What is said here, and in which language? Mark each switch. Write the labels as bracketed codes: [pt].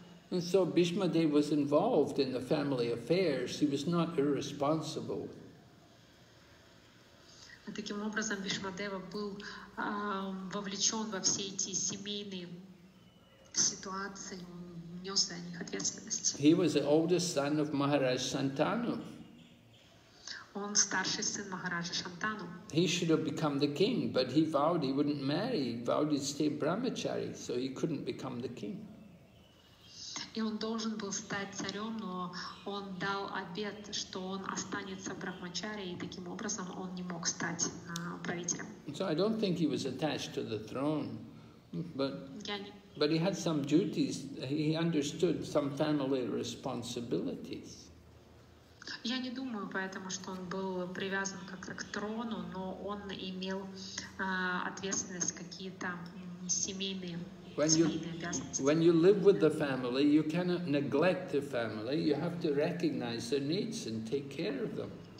[en] And so Bhishmadev was involved in the family affairs. He was not irresponsible. [ru] Таким образом, Бишмадева был вовлечен во все эти семейные ситуации, нес за них ответственность. [en] He was the oldest son of Maharaj Santanu. [ru] Он старший сын Махараджа Шантану. [en] He should have become the king, but he vowed he wouldn't marry. He vowed he'd stay brahmachari, so he couldn't become the king. [ru] И он должен был стать царем, но он дал обет, что он останется брахмачари, и таким образом он не мог стать правителем. [en] So I don't think he was attached to the throne, but he had some duties. He understood some family responsibilities. [ru] Я не думаю поэтому, что он был привязан как-то к трону, но он имел ответственность какие-то семейные, обязанности. [en] When you live with the family, you cannot neglect the family. You have to recognize their needs and take care of them.